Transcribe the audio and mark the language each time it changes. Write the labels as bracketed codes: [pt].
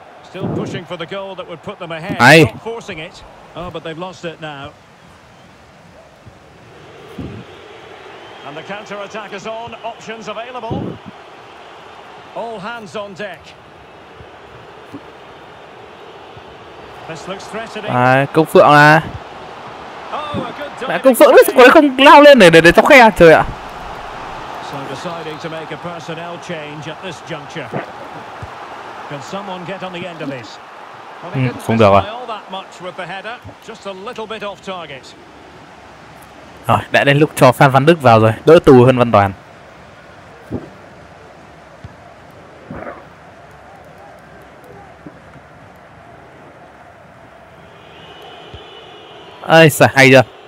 [en] Still pushing for the goal that would put them ahead. Not forcing it. Oh, but they've lost it now. And the counter attack is on, options available. All hands on deck. This looks threatening. [vi] À, Công Phượng à. Mẹ Công Phượng đấy, sao không lao lên để cho khe trời ạ. [en] So deciding to make a personnel change at this juncture. Can someone get on the end of this? [vi] Không được rồi. [en] All that much with the header, just a little bit off target. [vi] Rồi, đã đến lúc cho Phan Văn Đức vào rồi, đỡ tù hơn Văn Đoàn. Ây xà, hay chưa.